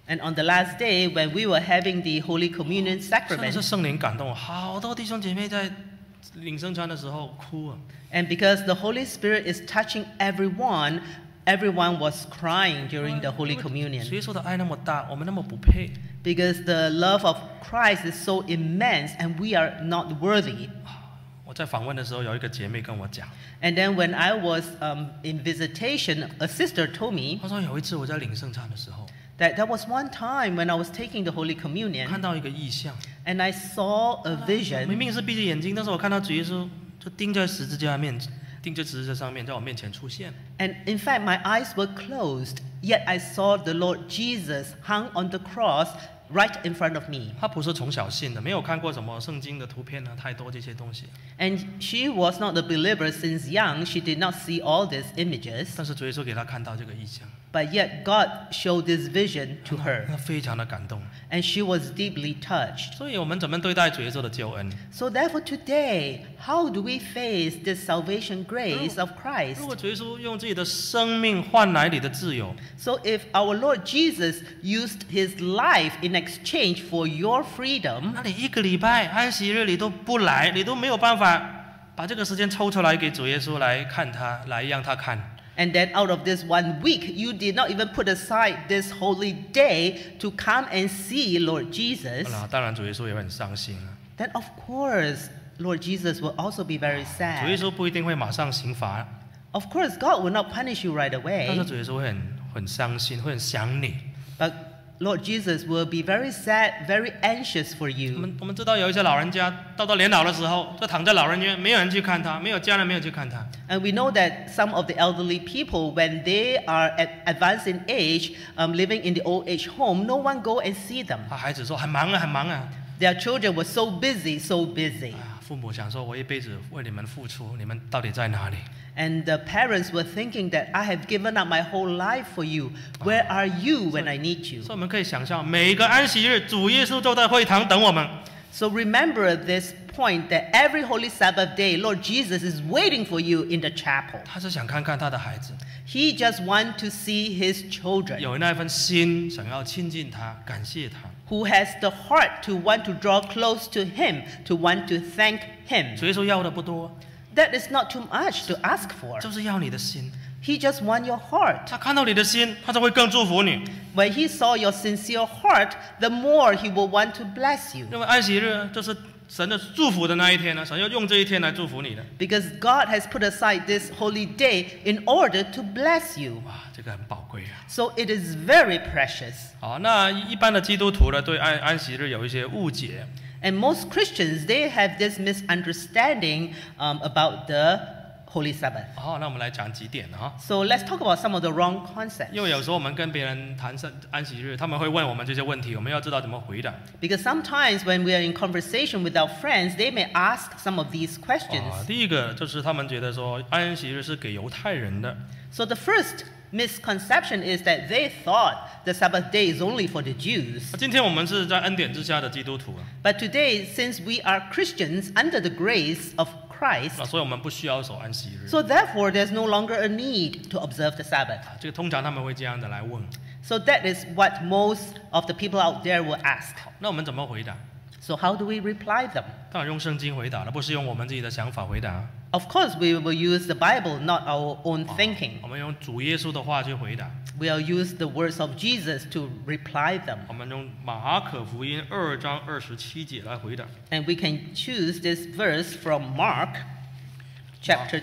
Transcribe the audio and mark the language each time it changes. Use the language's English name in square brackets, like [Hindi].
[English] and on the last day when we were having the Holy Communion sacrament, [Chinese] 真的是圣灵感动, 好多弟兄姐妹在领圣餐的时候哭啊。 [English] And because the Holy Spirit is touching everyone, everyone was crying during the Holy Communion. [Chinese] 主耶稣的爱那么大, 我们那么不配。 [English] Because the love of Christ is so immense and we are not worthy. [Chinese] 在访问的时候有一个姐妹跟我讲, [English] and then when I was in visitation, a sister told me, [Chinese] 她说有一次我在领圣餐的时候, [English] that there was one time when I was taking the Holy Communion, [Chinese] 看到一个异象, [English] and I saw a vision. [Chinese] 明明是闭着眼睛, 但是我看到主耶稣就钉在十字架上面, [English] and in fact my eyes were closed, yet I saw the Lord Jesus hung on the cross right in front of me. [Chinese] 她不是从小信的,没有看过什么圣经的图片啊,太多这些东西。 [English] And she was not a believer since young. She did not see all these images. [Chinese] 但是主耶稣给她看到这个异象。 [English] But yet God showed this vision to her. [Chinese] 她非常的感动。 [English] And she was deeply touched. [Chinese] 所以我们怎么对待主耶稣的救恩? [English] So therefore today, how do we face this salvation grace of Christ? [Chinese] 如果主耶稣用自己的生命换来你的自由, [English] so if our Lord Jesus used his life in exchange for your freedom, [Chinese] 那你一个礼拜安息日你都不来,你都没有办法把这个时间抽出来给主耶稣来看他,来让他看。 [English] And then out of this one week, you did not even put aside this holy day to come and see Lord Jesus. [Chinese] 当然主耶稣也很伤心。 [English] Then of course, Lord Jesus will also be very sad. [Chinese] 主耶稣不一定会马上刑罚。 [English] Of course, God will not punish you right away. [Chinese] 但是主耶稣会很伤心,会很想你。 [English] But Lord Jesus will be very sad, very anxious for you. [Chinese] 我们知道有一些老人家到年老的时候，就躺在老人院，没有人去看他，没有家人，没有去看他。 [English] And we know that some of the elderly people, when they are advanced in age, living in the old age home, no one go and see them. [Chinese] 孩子说很忙啊，很忙啊。 [English] Their children were so busy, so busy. [Chinese] 父母想说，我一辈子为你们付出，你们到底在哪里？ [English] And the parents were thinking that I have given up my whole life for you. Where are you when I need you? [Chinese] 所以我们可以想象，每个安息日，主耶稣就在会堂等我们。 [English] So remember this point that every Holy Sabbath day, Lord Jesus is waiting for you in the chapel. [Chinese] 他是想看看他的孩子。 [English] He just want to see his children. [Chinese] 有那份心想要亲近他，感谢他。 [English] Who has the heart to want to draw close to him, to want to thank him? [Chinese] 主耶稣要的不多。 [English] That is not too much to ask for. [Chinese] 就是要你的心。 [English] He just want your heart. [Chinese] 他看到你的心，他就会更祝福你。 [English] When he saw your sincere heart, the more he will want to bless you. [Chinese] 因为安息日就是神的祝福的那一天呢，神要用这一天来祝福你的。 [English] Because God has put aside this holy day in order to bless you. [Chinese] 哇，这个很宝贵啊。 [English] So it is very precious. [Chinese] 好，那一般的基督徒呢，对安息日有一些误解。 [English] And most Christians, they have this misunderstanding about the Holy Sabbath. [Chinese] 好，那我们来讲几点啊。 [English] So let's talk about some of the wrong concepts. [Chinese] 因为有时候我们跟别人谈安息日，他们会问我们这些问题，我们要知道怎么回答。 [English] Because sometimes when we are in conversation with our friends, they may ask some of these questions. [Chinese] 第一个就是他们觉得说安息日是给犹太人的。 [English] So the first misconception is that they thought the Sabbath day is only for the Jews. [Chinese] 今天我们是在恩典之下的基督徒。 [English] But today, since we are Christians under the grace of Christ, [Chinese] 所以我们不需要守安息日。 [English] So therefore, there's no longer a need to observe the Sabbath. [Chinese] 这个通常他们会这样的来问。 [English] So that is what most of the people out there will ask. [Chinese] 那我们怎么回答？ [English] So how do we reply them? [Chinese] 当然用圣经回答了，不是用我们自己的想法回答。 [English] Of course, we will use the Bible, not our own thinking. [Chinese] 我们用主耶稣的话去回答。 [English] We'll use the words of Jesus to reply them. [Chinese] 我们用马可福音二章二十七节来回答。 [English] And we can choose this verse from Mark, chapter